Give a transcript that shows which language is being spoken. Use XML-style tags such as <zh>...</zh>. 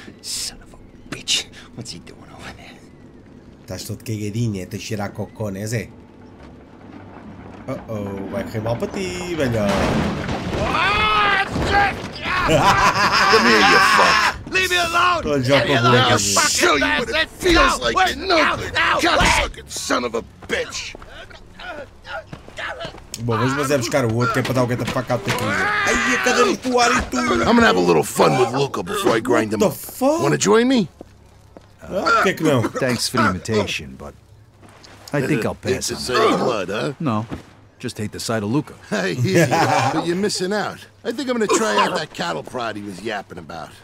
<en>Son of a bitch, what's he doing over there?</en> <pt>Estás todo cagadinho, é te cheirar cocô, né, Zé? Oh oh, vai correr mal para ti, velho!</pt> <en>Come here, you fuck! Leave me alone! Leave me alone, you fucking bastard! I'll show you what it feels like, you nothing! Cocksucking son of a bitch!</en> <pt>Bom, vamos fazer buscar o outro, que é para dar o</pt> <en>getafuck out</en> <pt>aqui. Ai, a cadeira do ar e tudo!</pt> <en>I'm gonna have a little fun with Luca before I grind him up. What the fuck? Wanna join me?</en> <pt>Por que não?</pt> <en>Thanks for the imitation, but... I think I'll pass it's on. It's the same blood, huh? No. Just hate the sight of Luca. I hear you, but you're missing out. I think I'm gonna try out that cattle prod he was yapping about.</en>